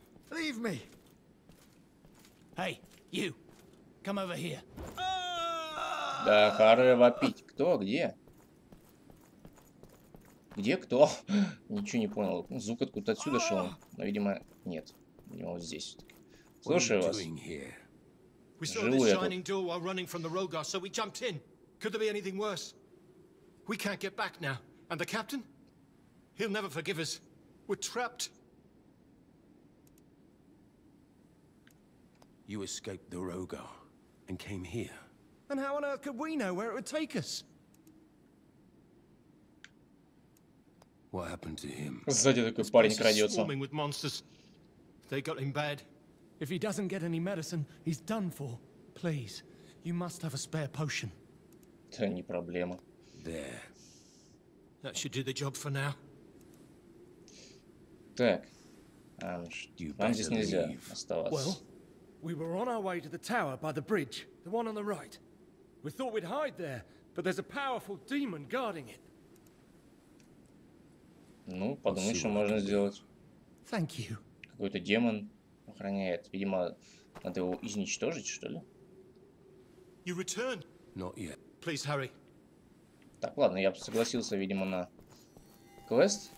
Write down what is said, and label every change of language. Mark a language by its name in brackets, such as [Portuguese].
[English] Leave me. Hey, you. Come over here. [Russian] Да, Харе вопить. Кто? Где? Где кто? Ничего не понял. Звук откуда-то отсюда шел. Но, видимо, нет. У него вот здесь все-таки. Слушаю вас. [English] We saw [Russian] Живу [English] this shining door while running from the Rogar, so we jumped in. Could there be anything worse? We can't get back now. And the captain? He'll never forgive us. We're trapped. You escaped the Rogar and came here. And how on earth could we know where it would take us? What happened to him? [Russian] Сзади такой парень крадется. [English] Swarming with monsters. They got him bad. If he doesn't get any medicine, he's done for. Please, you must have a spare potion. [Russian] Это не проблема. [English] There. That should do the job for now. [Russian] Так. Вам здесь нельзя оставаться. [English] Well, we were on our way to the tower by the bridge, the one on the right. We thought we'd hide there, but there's a powerful demon guarding it. [Russian] Ну, подумай, что можно сделать. [English] Thank you. [Russian] Какой-то демон. Охраняет. Видимо, надо его изничтожить, что ли? [English] You return. Not yet. Please hurry. [Russian] Так, ладно, я согласился, видимо, на квест.